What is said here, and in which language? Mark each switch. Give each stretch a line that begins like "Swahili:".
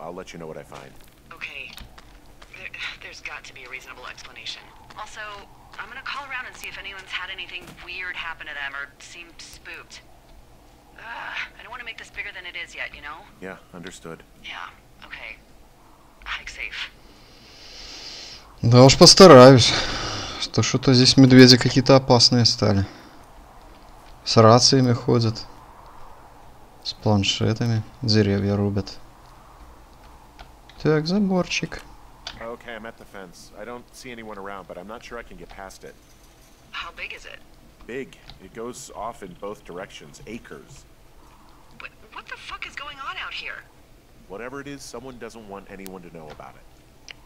English: I'll let you know what I find. Okay. There's got to be a reasonable explanation. Also, I'm gonna call around and see if anyone's had anything weird happen to them or seemed spooked. I don't want to make this bigger than it is yet, you know? Yeah, understood. Yeah, okay. Hike safe.
Russian: Да уж постараюсь, что что-то здесь медведи какие-то опасные стали. С рациями ходят, с планшетами, деревья рубят. Так, заборчик.
English: Okay, I'm at the fence. I don't see anyone around, but I'm not sure I can get past it. How big is it? Big. It goes off in both directions. Acres. What the fuck is going on out here? Whatever it is, someone doesn't want anyone to know about it.